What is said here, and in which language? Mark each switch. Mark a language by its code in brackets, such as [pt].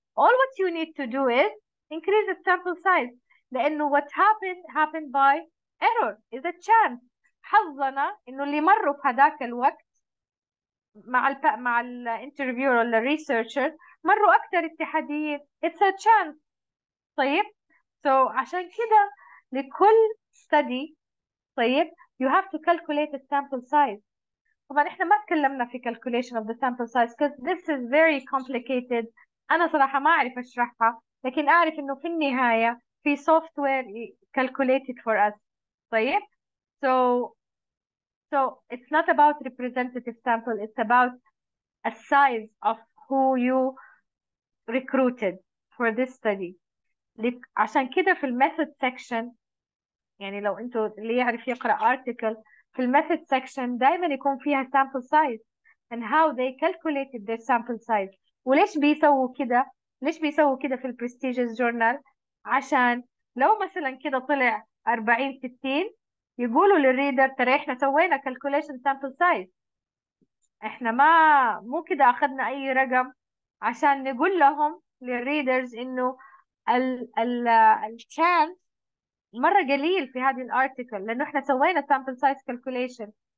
[en] all what you need to do is increase the sample size، لانه what happened by error is a chance. [ar] حظنا انه اللي مروا في هذاك الوقت مع الانترفيور ولا الريسيرشر مروا اكثر اتحاديين. [en] It's a chance. طيب so [ar] عشان كده لكل [en] study، طيب you have to calculate the sample size. [ar] طبعا احنا ما تكلمنا في [en] calculation of the sample size because this is very complicated. [ar] انا صراحة ما اعرف اشرحها، لكن اعرف انه في النهاية في [en] software calculated for us. طيب so it's not about representative sample, it's about a size of who you recruited for this study. [ar] عشان كده في الميثود سيكشن، يعني لو انتوا اللي يعرف يقرا article في الميثود سيكشن، دايما يكون فيها [en] sample size and how they calculated their sample size. [ar] وليش بيسووا كده؟ ليش بيسووا كده في البريستيجيوس جورنال؟ عشان لو مثلا كده طلع 40 60، يقولوا للريدر ترى احنا سوينا calculation sample size، احنا ما مو كده اخذنا اي رقم، عشان نقول لهم للريدرز انه ال chance مرة قليل في هذه الارتيكل، لانه احنا سوينا sample size calculation.